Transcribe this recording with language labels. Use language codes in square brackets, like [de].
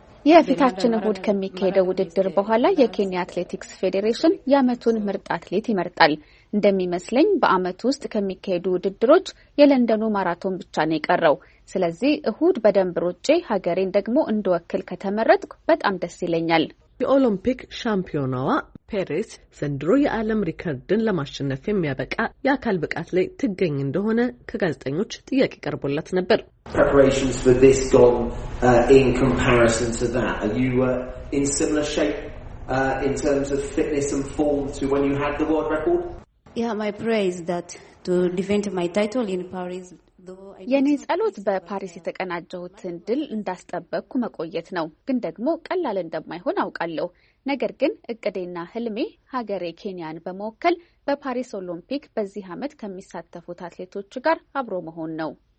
[am] የፊታችን እሁድ ከሚካሄደው ውድድር በኋላ የኬንያ አትሌቲክስ ፌዴሬሽን የአመቱን ምርጥ አትሌት ይመርጣል። እንደሚመስለኝ በአመቱ ውስጥ ከሚካሄዱ ውድድሮች የለንደኑ ማራቶን ብቻ ነው የቀረው። ስለዚህ እሁድ በደንብ ሮጬ ሀገሬን ደግሞ እንድወክል ከተመረጥኩ በጣም ደስ ይለኛል። የኦሎምፒክ ሻምፒዮናዋ ፔሬስ ዘንድሮ የዓለም ሪከርድን ለማሸነፍ የሚያበቃ የአካል ብቃት ላይ ትገኝ እንደሆነ ከጋዜጠኞች ጥያቄ ቀርቦላት ነበር። [en] Preparations for this gone in comparison to that. Are you in similar shape in terms of fitness and form to when you had the world record? Yeah, my prayer is that to defend my title in Paris. [am] የኔ ጸሎት በፓሪስ የተቀናጀሁትን ድል እንዳስጠበቅኩ መቆየት ነው። ግን ደግሞ ቀላል እንደማይሆን አውቃለሁ። ነገር ግን እቅዴና ህልሜ ሀገሬ ኬንያን በመወከል በፓሪስ ኦሎምፒክ በዚህ ዓመት ከሚሳተፉት አትሌቶች ጋር አብሮ መሆን ነው።